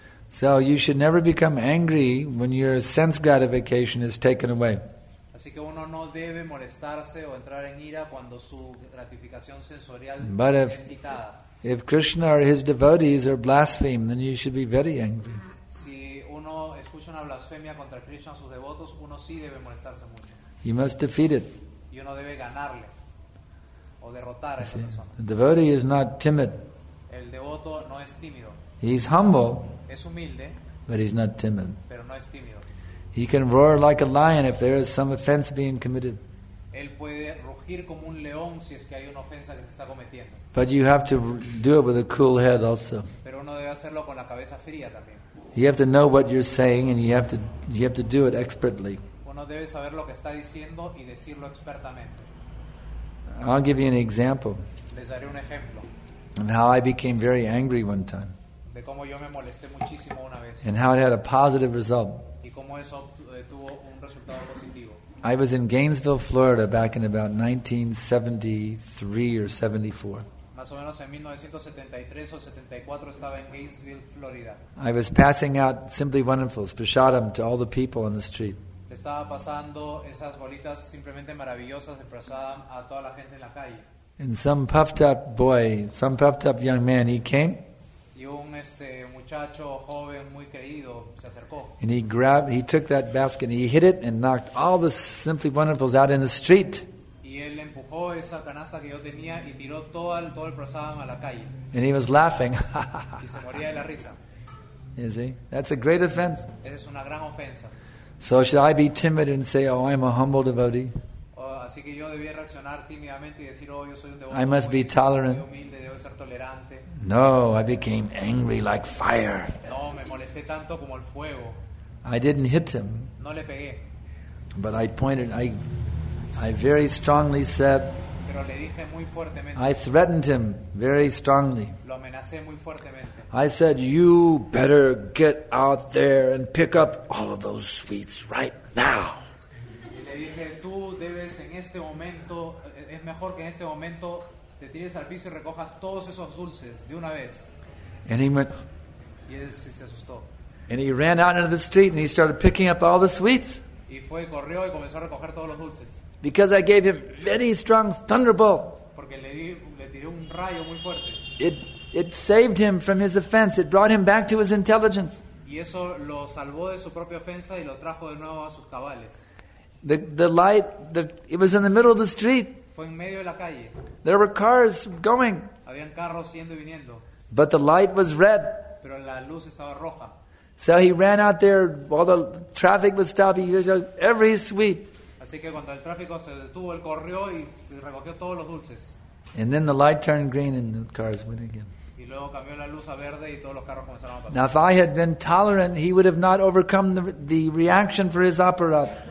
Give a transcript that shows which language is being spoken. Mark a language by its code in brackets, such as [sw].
[en] So you should never become angry when your sense gratification is taken away. [es] Así que uno no debe molestarse o entrar en ira cuando su gratificación sensorial [en] but [es] es [en] if Krishna or his devotees are blasphemed, then you should be very angry. [es] Si uno escucha una blasfemia contra Krishna o sus devotos, uno sí debe molestarse mucho. [en] You must defeat it. [es] Y uno debe ganarle o derrotar a esa persona. [en] The devotee is not timid. [es] El devoto no es tímido. [en] He's humble. [es] Es humilde. [en] But he's not timid. [es] Pero no es tímido. [en] He can roar like a lion if there is some offense being committed. [es] Él puede rugir como un león si es que hay una ofensa que se está cometiendo. [en] But you have to do it with a cool head also. [es] Pero uno debe hacerlo con la cabeza fría también. [en] You have to know what you're saying and you have to do it expertly. [es] Uno debe saber lo que está diciendo y decirlo expertamente. [en] I'll give you an example. [es] Les daré un ejemplo. [en] And how I became very angry one time. [es] De cómo yo me molesté muchísimo una vez. [en] And how it had a positive result. [es] Y cómo eso tuvo un resultado positivo. [en] I was in Gainesville, Florida back in about 1973 or 74. [es] Más o menos en 1973 o 74 estaba en Gainesville, Florida. [en] I was passing out Simply Wonderful, Prasadam to all the people on the street. [es] Estaba pasando esas bolitas simplemente maravillosas de Prasadam a toda la gente en la calle. [en] And some puffed up boy, some puffed up young man, he came. [es] Y un muchacho joven muy creído se acercó. [en] And he took that basket and he hit it and knocked all the Simply Wonderfuls out in the street. [es] Y él empujó esa canasta que yo tenía y tiró todo el Prasadam a la calle. [en] And he was laughing. [es] Y se moría de la risa. [en] You see? That's a great offense. [es] Esa es una gran ofensa. [en] So should I be timid and say, oh, I'm a humble devotee? [es] Así que yo debía reaccionar tímidamente y decir, oh, yo soy un devoto. [en] I must be tolerant. [es] Humilde, debo ser tolerante. [en] No, I became angry like fire. [es] No, me molesté tanto como el fuego. [en] I didn't hit him. [es] No le pegué. [en] But I pointed, I very strongly said, [es] pero le dije muy fuertemente. [en] I threatened him very strongly. [es] Lo amenacé muy fuertemente. [en] I said, you better get out there and pick up all of those sweets right now. [es] Y le dije, tú debes en este momento, es mejor que en este momento te tires al piso y recojas todos esos dulces de una vez. [en] And he went, [es] y él se asustó. [en] And he ran out into the street and he started picking up all the sweets. [es] Y fue, corrió y comenzó a recoger todos los dulces. [en] Because I gave him very strong thunderbolt. [es] Porque le tiré un rayo muy fuerte. [en] It saved him from his offense. It brought him back to his intelligence. [es] Y eso lo salvó de su propia ofensa y lo trajo de nuevo a sus cabales. [en] It was in the middle of the street. [es] Fue en medio de la calle. [en] There were cars going. [es] Habían carros yendo y viniendo. [en] But the light was red. [es] Pero la luz estaba roja. [en] So he ran out there while the traffic was stopping. He was like, every sweet. [es] Así que cuando el tráfico se detuvo, él corrió y se recogió todos los dulces. [en] And then the light turned green and the cars went again. [es] Y luego cambió la luz a verde y todos los carros comenzaron a pasar. [en] Now if I had been tolerant, he would have not overcome the reaction for his apparat.